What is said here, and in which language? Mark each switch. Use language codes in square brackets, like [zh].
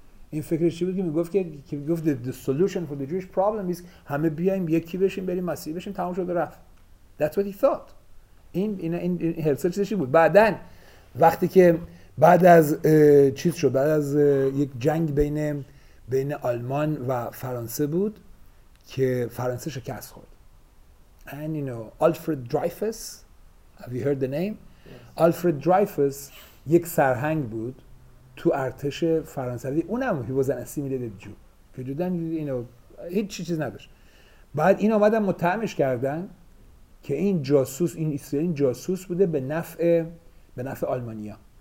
[fa] این فکرش چی بود که میگفت که گفت [en] the solution for the Jewish problem is [fa] همه بیایم یکی بشیم بریم مسیحی بشیم تمام شد رفت. [en] That's what he thought. [fa] این هرسل چیزش بود. بعدن وقتی که بعد از چیز شد، بعد از یک جنگ بین آلمان و فرانسه بود که فرانسه شکست خورد. [en] And you know, Alfred Dreyfus, have you heard the name? Yes. [fa] Alfred Dreyfus یک سرهنگ بود تو ارتش فرانسوی. اونم [en] he was an assimilated Jew. [fa] که جدن [en] you know, [fa] هیچ چیز نداشت. بعد این آمدن متهمش کردن که این جاسوس، این اسرائیلی جاسوس بوده به نفع آلمانیا.